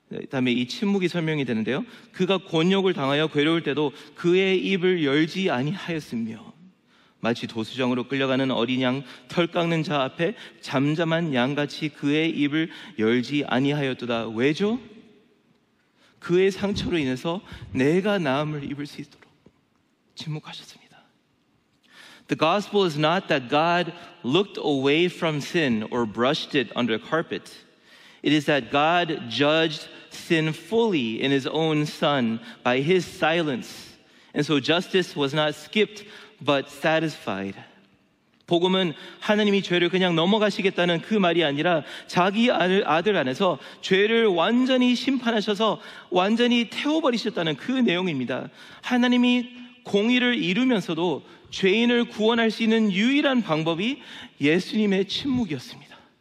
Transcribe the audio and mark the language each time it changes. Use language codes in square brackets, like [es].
[ko] 다음에 이 침묵이 설명이 되는데요. 그가 곤욕을 당하여 괴로울 때도 그의 입을 열지 아니하였으며 마치 도수장으로 끌려가는 어린 양 털 깎는 자 앞에 잠잠한 양같이 그의 입을 열지 아니하였도다. 왜죠? 그의 상처로 인해서 내가 나음을 입을 수 있도록 침묵하셨습니다. [en] The gospel is not that God looked away from sin or brushed it under the carpet. It is that God judged sin fully in his own son by his silence. And so justice was not skipped but satisfied. [ko] 복음은 하나님이 죄를 그냥 넘어가시겠다는 그 말이 아니라 자기 아들 안에서 죄를 완전히 심판하셔서 완전히 태워버리셨다는 그 내용입니다. 하나님이 공의를 이루면서도 죄인을 구원할 수 있는 유일한 방법이 예수님의 침묵이었습니다.